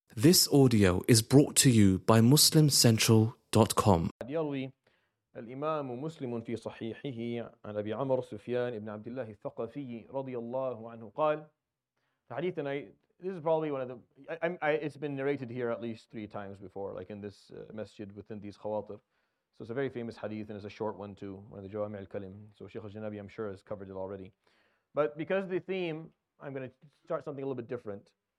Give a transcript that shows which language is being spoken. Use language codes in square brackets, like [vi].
[en] This audio is brought to you by MuslimCentral.com. [ar] يروي الإمام مسلم في صحيحه عن أبي عمر سفيان بن عبد الله الثقفي رضي الله عنه قال حديثنا. [en] This is probably one of the it's been narrated here at least three times before, like in this masjid within these khawatir. So it's a very famous hadith and it's a short one too, one of the Jawami' al-Kalim. So Sheikh al-Janabi, I'm sure, has covered it already. But because of the theme, I'm going to start something a little bit different.